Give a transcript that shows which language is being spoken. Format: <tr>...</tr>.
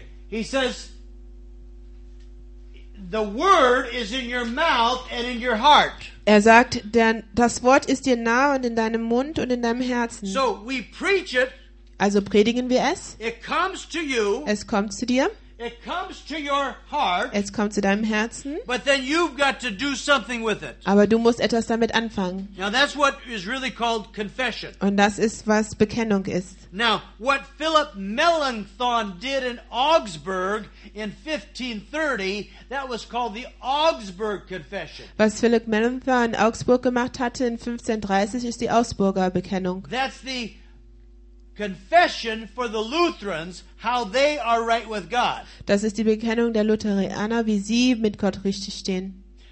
<en>He says, "The word is in your mouth and in your heart."</en> <de>Er sagt, denn das Wort ist dir nah und in deinem Mund und in deinem Herzen.</de> <en>So we preach it.</en> <de>Also predigen wir es.</de> <en>It comes to you.</en> <de>Es kommt zu dir.</de> <en>It comes to your heart.</en> <de>Es kommt zu deinem Herzen.</de> <en>But then you've got to do something with it.</en> <de>Aber du musst etwas damit anfangen.</de> <en>Now that's what is really called confession.</en> <de>Und das ist, was Bekennung ist.</de> <en>Now what Philip Melanchthon did in Augsburg in 1530, that was called the Augsburg Confession.</en> <de>Was Philip Melanchthon in Augsburg gemacht hatte in 1530, ist die Augsburger Bekennung.</de> <en>That's the confession for the Lutherans, how they are right with God.</en> <de>Das ist die Bekennung der Lutheraner, wie sie mit Gott richtig stehen.</de>